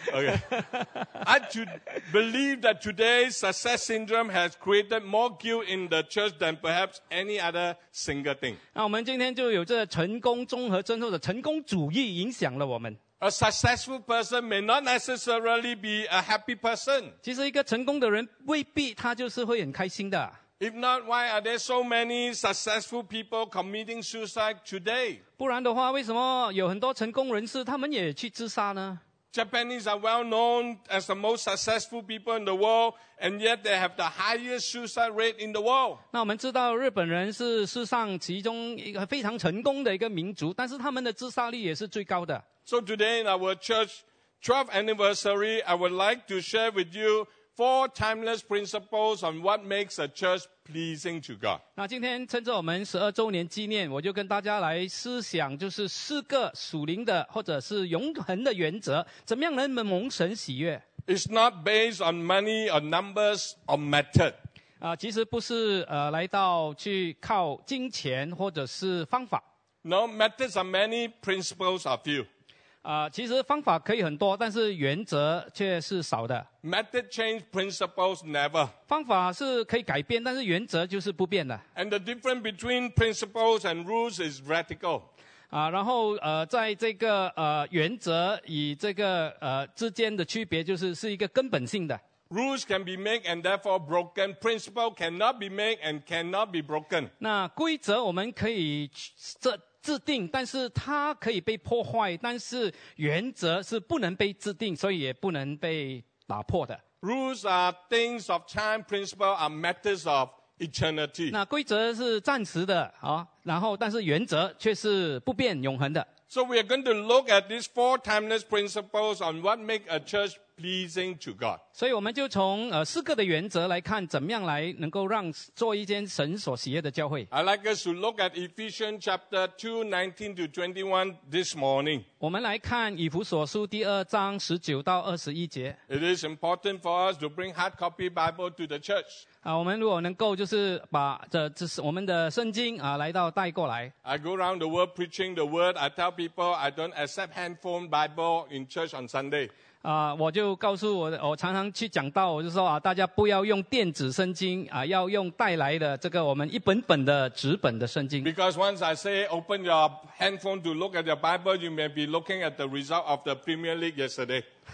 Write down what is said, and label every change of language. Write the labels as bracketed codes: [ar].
[en] Okay, I believe that today's success syndrome has created more guilt in the church than perhaps any other single thing. [zh] 我们今天就有这个成功综合症或者成功主义影响了我们。 [en] A successful person may not necessarily be a happy person. [zh] 其实一个成功的人未必他就是会很开心的。 [en] If not, why are there so many successful people committing suicide today? [zh] 不然的话，为什么有很多成功人士他们也去自杀呢？ [en] Japanese are well known as the most successful people in the world, and yet they have the highest suicide rate in the world. [zh] 那我们知道日本人是世上其中一个非常成功的一个民族，但是他们的自杀率也是最高的。 [en] So today in our church 12th anniversary, I would like to share with you four timeless principles on what makes a church pleasing to God. [zh] 那今天趁着我们12周年纪念，我就跟大家来思想，就是四个属灵的或者是永恒的原则，怎么样能蒙神喜悦。 [en] It's not based on money or numbers or method. [zh] 其实不是来到去靠金钱或者是方法。 [en] No, methods are many, principles are few. [zh] 其实方法可以很多，但是原则却是少的。 [en] Method change, principles never. [zh] 方法是可以改变，但是原则就是不变的。 [en] And the difference between principles and rules is radical. [zh] 然后在这个原则与这个之间的区别就是一个根本性的。 [en] Rules can be made and therefore broken. Principle cannot be made and cannot be broken. [zh] 那规则我们可以制定，但是它可以被破坏，但是原则是不能被制定，所以也不能被打破的。 [en] Rules are things of time. Principle are matters of eternity. [zh] 那规则是暂时的，然后但是原则却是不变永恒的。 [en] So we are going to look at these four timeless principles on what make a church pleasing to God. [zh] 所以我们就从四个的原则来看，怎么样来能够让做一间神所喜悦的教会。 [en] I'd like us to look at Ephesians chapter 2:19 to 21 this morning. [zh] 我们来看以弗所书第二章十九到二十一节。 [en] It is important for us to bring hard copy Bible to the church. [zh] 我们如果能够就是把这是我们的圣经来到带过来。 [en] I go around the world preaching the word. I tell people I don't accept handphone Bible in church on Sunday. [zh] 我就告诉我常常去讲道，我就说大家不要用电子圣经要用带来的这个我们一本本的纸本的圣经。 [en] Because once I say open your handphone to look at your Bible, you may be looking at the result of the Premier League yesterday.